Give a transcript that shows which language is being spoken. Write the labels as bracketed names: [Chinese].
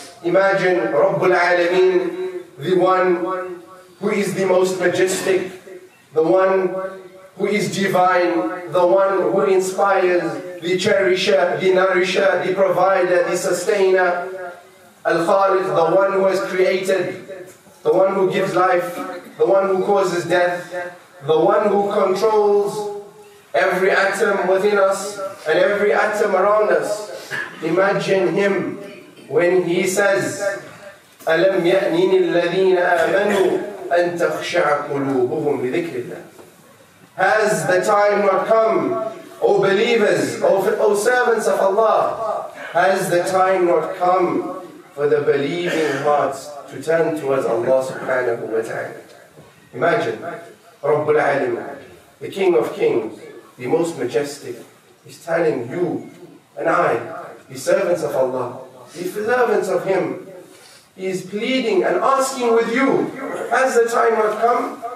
[English] Imagine Rabbul Alameen, the one who is the most majestic, the one who is divine, the one who inspires, the cherisher, the nourisher, the provider, the sustainer, Al-Khaliq, the one who has created, the one who gives life, the one who causes death, the one who controls every atom within us and every atom around us. Imagine him when he says, [Arabic] أَلَمْ يَأْنِنِ الَّذِينَ آمَنُوا أَن تَخْشَعَ قُلُوبُهُمْ لِذِكْرِ اللَّهِ. [English] Has the time not come, O believers, O servants of Allah, has the time not come for the believing hearts to turn towards Allah subhanahu wa ta'ala? Imagine, Rabbul Alim, the King of Kings, the most majestic, is telling you and I, the servants of Allah, the servants of Him, He is pleading and asking with you, has the time not come?